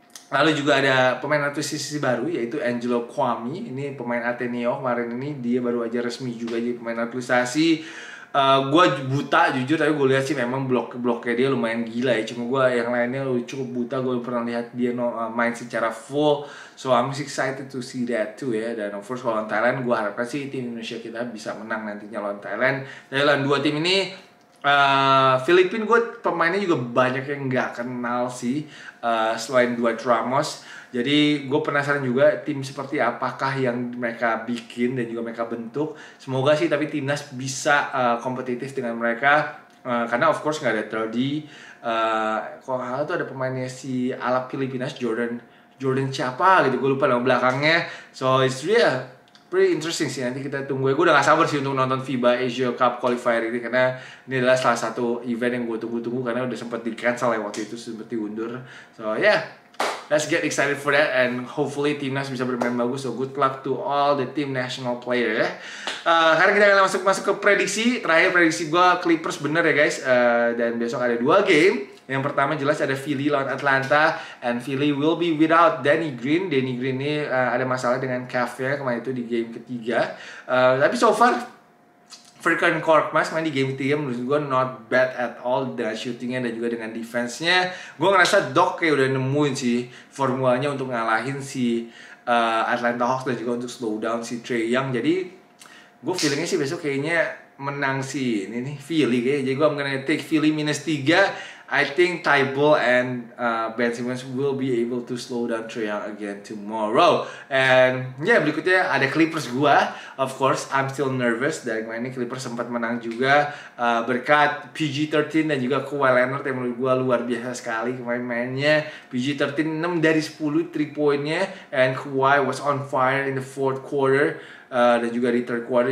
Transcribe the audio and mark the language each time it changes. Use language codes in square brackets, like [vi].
[id] Lalu juga ada pemain sisi baru yaitu Angelo Kwame. Ini pemain Ateneo kemarin, ini dia baru aja resmi juga jadi pemain naturalisasi. Gue buta jujur, tapi gue lihat sih memang blok-bloknya dia lumayan gila ya. Cuma gue yang lainnya cukup buta, gue pernah lihat dia main secara full. [en] So I'm excited to see that too ya. [id] Dan of course lawan Thailand, gue harapkan sih tim Indonesia kita bisa menang nantinya lawan Thailand. Jadi lawan dua tim ini, Filipina gue pemainnya juga banyak yang gak kenal sih, selain Dwight Ramos. Jadi gue penasaran juga tim seperti apakah yang mereka bikin dan juga mereka bentuk. Semoga sih tapi timnas bisa kompetitif dengan mereka, karena of course gak ada 3D. Kalau gak salah tuh ada pemainnya si Alap Filipinas, Jordan siapa gitu, gue lupa nama belakangnya. [en] So it's real pretty interesting [id] sih, nanti kita tunggu. Gue udah gak sabar sih untuk nonton FIBA Asia Cup Qualifier ini, karena ini adalah salah satu event yang gue tunggu-tunggu, karena udah sempat di cancel ya waktu itu, sempat diundur. [en] So yeah, let's get excited for that, and hopefully [id] timnas bisa bermain bagus. [en] So good luck to all the team national player ya. [id] Karena kita akan masuk ke prediksi terakhir. Prediksi gue Clippers bener ya guys, dan besok ada 2 game. Yang pertama jelas ada Philly lawan Atlanta, [en] and Philly will be without Danny Green. [id] Danny Green ini ada masalah dengan calf-nya kemarin itu di game ketiga. Tapi so far Furkan Korkmaz main di game ketiga menurut gue [en] not bad at all, [id] dengan shooting-nya dan juga dengan defense-nya. Gue ngerasa Doc kayak udah nemuin sih formulanya untuk ngalahin si Atlanta Hawks dan juga untuk slow down si Trae Young. Jadi gue feeling-nya sih besok kayaknya menang sih ini nih Philly kayaknya. Jadi gue [en] I'm gonna take Philly -3. I think Tybull and Ben Simmons will be able to slow down Trae Young again tomorrow. And yeah, [id] berikutnya ada Clippers gua. [en] Of course, I'm still nervous. [id] Dari kemarin ini Clippers sempat menang juga berkat PG-13 dan juga Kawhi Leonard yang menurut gua luar biasa sekali kemarin mainnya. [en] PG-13 6 dari 10 3 point-nya, and Kawhi was on fire in the fourth quarter [id] dan juga di [en] third quarter.